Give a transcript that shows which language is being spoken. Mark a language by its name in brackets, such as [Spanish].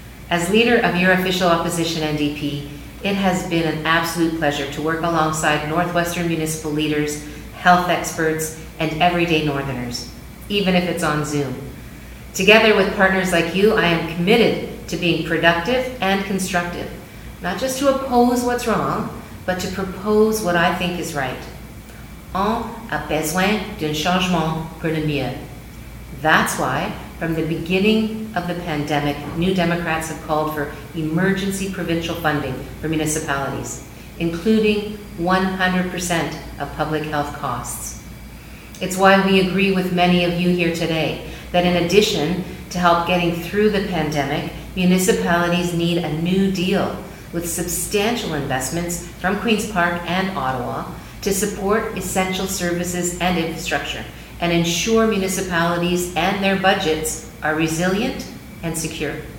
[English] As leader of your official opposition NDP, it has been an absolute pleasure to work alongside Northwestern municipal leaders, health experts, and everyday Northerners, even if it's on Zoom. Together with partners like you, I am committed to being productive and constructive, not just to oppose what's wrong, but to propose what I think is right. [French] On a besoin d'un changement pour le mieux. [English] That's why, from the beginning of the pandemic, New Democrats have called for emergency provincial funding for municipalities, including 100% of public health costs. It's why we agree with many of you here today that in addition to help getting through the pandemic, municipalities need a new deal with substantial investments from Queen's Park and Ottawa to support essential services and infrastructure and ensure municipalities and their budgets are resilient and secure.